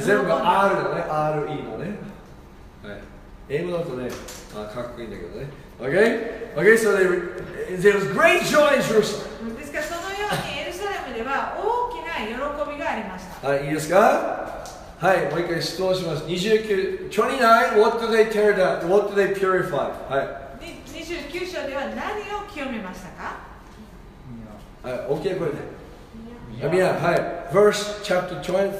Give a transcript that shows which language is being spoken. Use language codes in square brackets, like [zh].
[ja] 全部 R だね、 RE のね、英語だとね、かっこいいんだけどね。 [en] Okay? Okay, so there was great joy in Jerusalem. [ja] ですから、そのようにエルサレムでは大きな喜びがありました。はい、いいですか？はい、もう一回質問します。 [en] 29、29、what do they tear down? What do they purify? [ja] はい。 [en] 29 [ja] 章では何を清めましたか？はい、OK、これね。みや、はい。 [en] Verse chapter 20,